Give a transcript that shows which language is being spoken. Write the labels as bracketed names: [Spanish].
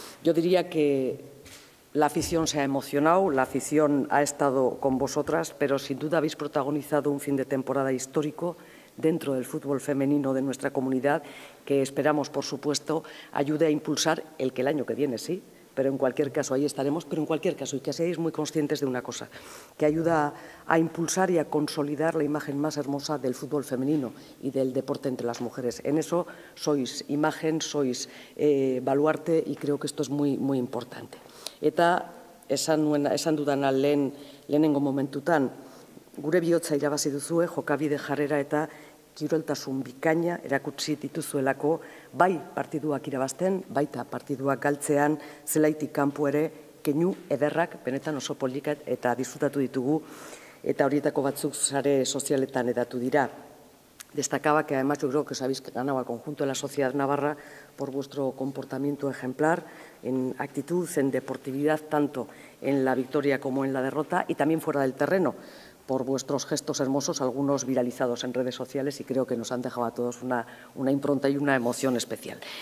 [Spanish] Yo diría que la afición se ha emocionado, la afición ha estado con vosotras, pero sin duda habéis protagonizado un fin de temporada histórico dentro del fútbol femenino de nuestra comunidad, que esperamos, por supuesto, ayude a impulsar el que el año que viene, sí, pero en cualquier caso, ahí estaremos, pero en cualquier caso, y que seáis muy conscientes de una cosa, que ayuda a impulsar y a consolidar la imagen más hermosa del fútbol femenino y del deporte entre las mujeres. En eso sois imagen, sois baluarte y creo que esto es muy, muy importante. [Basque] Eta esan dudan al lehenengo momentutan, gure bihotza irabazi duzue, jokabide jarrera eta kiroltasun bikaina erakutsi dituzuelako, bai partiduak irabazten, baita partiduak galtzean, zelaitik kanpo ere, keinu ederrak, benetan oso poliket eta disfrutatu ditugu, eta horietako batzuk sare sozialetan edatu dira. [Spanish] Destacaba que además yo creo que os habéis ganado al conjunto de la sociedad navarra por vuestro comportamiento ejemplar en actitud, en deportividad, tanto en la victoria como en la derrota y también fuera del terreno, por vuestros gestos hermosos, algunos viralizados en redes sociales, y creo que nos han dejado a todos una impronta y una emoción especial.